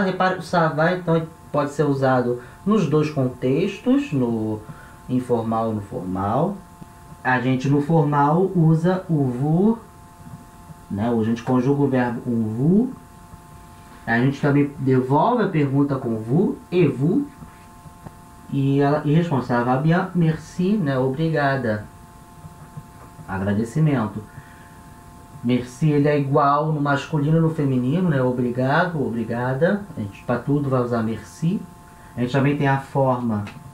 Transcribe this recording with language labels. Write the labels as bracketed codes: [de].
[pt] Repare que o ça va então pode ser usado nos dois contextos, no informal e no formal. A gente no formal usa o vu, né? A gente conjuga o verbo com vu. A gente também devolve a pergunta com vu e vu. [fr] E responde: ça va bien, merci, né? [pt] Obrigada. Agradecimento. Merci, ele é igual no masculino e no feminino, né? Obrigado, obrigada. A gente para tudo vai usar merci. A gente também tem a forma.